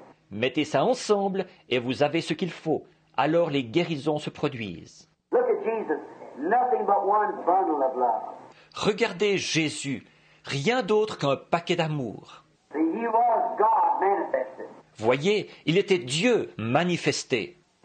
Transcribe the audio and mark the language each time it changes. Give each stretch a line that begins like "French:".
French: Mettez ça ensemble et vous avez ce qu'il faut. Alors les guérisons se produisent.
English: Look at Jesus, nothing but one bundle of love.
French: Regardez Jésus, rien d'autre qu'un paquet d'amour.
English: See, he was God manifested.
French: Voyez, il était Dieu manifesté.